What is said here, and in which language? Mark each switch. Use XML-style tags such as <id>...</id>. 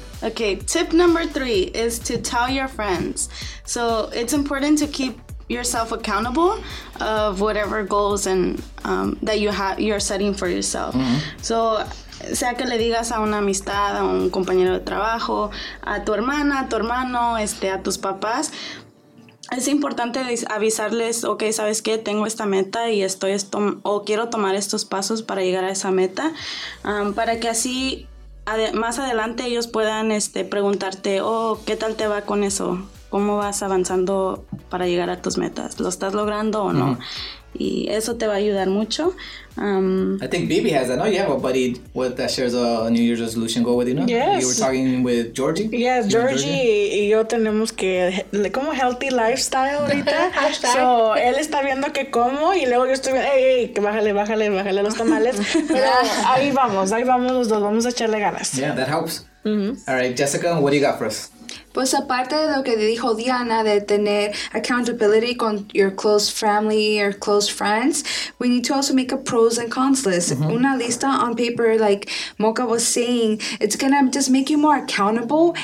<en>Okay, tip number 3 is to tell your friends. So it's important to keep yourself accountable of whatever goals and that you have, you're setting for yourself. Mm-hmm. So</en> <es>sea que le digas a una amistad, a un compañero de trabajo, a tu hermana, a tu hermano, a tus papás. Es importante avisarles, ok, ¿sabes qué? Tengo esta meta y quiero tomar estos pasos para llegar a esa meta. Para que así, más adelante ellos puedan preguntarte, oh, ¿qué tal te va con eso? ¿Cómo vas avanzando para llegar a tus metas? ¿Lo estás logrando o no? Y eso te va a ayudar mucho.</es> <en>I think Bibi has that, no? You have a buddy that shares a New Year's resolution goal with you, no? Yes. You were talking with Georgie?</en> <es>Yes, Georgie y yo tenemos que, como</es> <en>healthy lifestyle</en> <es>ahorita. So, él está viendo que como y luego yo estoy viendo, hey, que bájale los tamales. Pero ahí vamos los dos, vamos a echarle ganas.</es> <en>Yeah, that helps. Mm-hmm. All right, Jessica, what do you got for us?</en> <es>Pues aparte de lo que dijo Diana de tener accountability con</es> <en>your close family or close friends, we need to also make a pros and cons list. Mm-hmm.</en> <es>Una lista</es> <en>on paper, like Moca was saying, it's gonna just make you more accountable.</en>